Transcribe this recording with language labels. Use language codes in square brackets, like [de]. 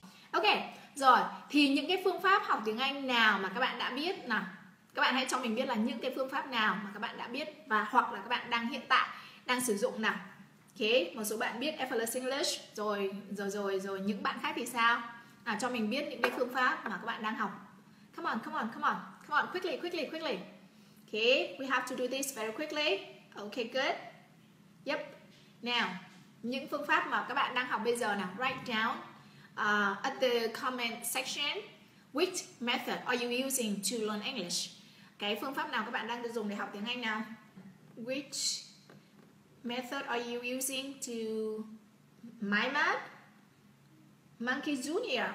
[vi] Ok, rồi thì những cái phương pháp học tiếng Anh nào mà các bạn đã biết nào? Các bạn hãy cho mình biết là những cái phương pháp nào mà các bạn đã biết và hoặc là các bạn đang hiện tại đang sử dụng nào. Ok, một số bạn biết Effortless English rồi những bạn khác thì sao? À, cho mình biết những cái phương pháp mà các bạn đang học. [en] Come on, quickly. Ok, we have to do this very quickly. Ok, good. Yep. Now, [vi] những phương pháp mà các bạn đang học bây giờ nào, [en] write down at the comment section which method are you using to learn English. [vi] Cái phương pháp nào các bạn đang dùng để học tiếng Anh nào? [en] Which method are you using to MyMap? [vi] Monkey Junior.